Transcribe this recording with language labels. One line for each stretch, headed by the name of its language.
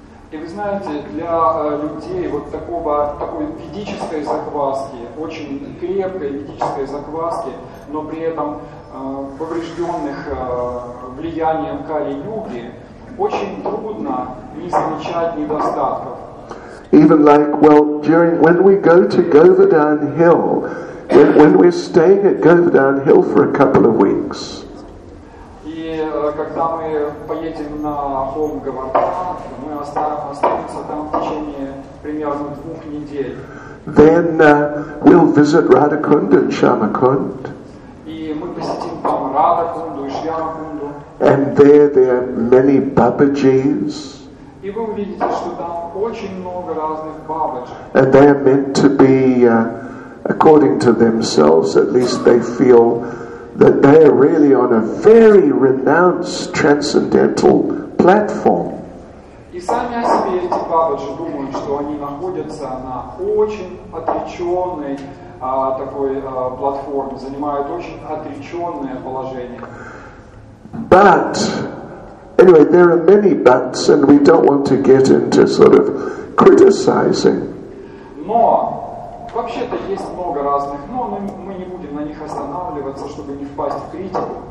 Russian: И вы знаете, для людей вот такой ведической закваски, очень крепкой ведической закваски, но при этом поврежденных влиянием Кали Юги, очень трудно не замечать недостатков.
English: Even like, well, when we go to Govardhan Hill, when we're staying at Govardhan Hill for a couple of weeks.
Russian: И когда мы поедем на холм Говардхан, мы останемся там в течение примерно двух недель.
English: Then we'll visit Radhakund and Shyamakund.
Russian: И мы посетим там Радхакунду и Шьямакунду.
English: And there are many Бабаджис.
Russian: И вы увидите, что там очень много разных бабочек.
English: And they are meant to be, according to themselves, at least they feel that they are really on a very renounced transcendental platform.
Russian: И сами о себе эти бабочки думают, что они находятся на очень отреченной платформе, занимают очень отреченное положение.
English: But anyway, there are many buts, and we don't want to get into sort of criticizing.
Russian: Но вообще-то есть много разных, но мы не будем на них останавливаться, чтобы не впасть в критику.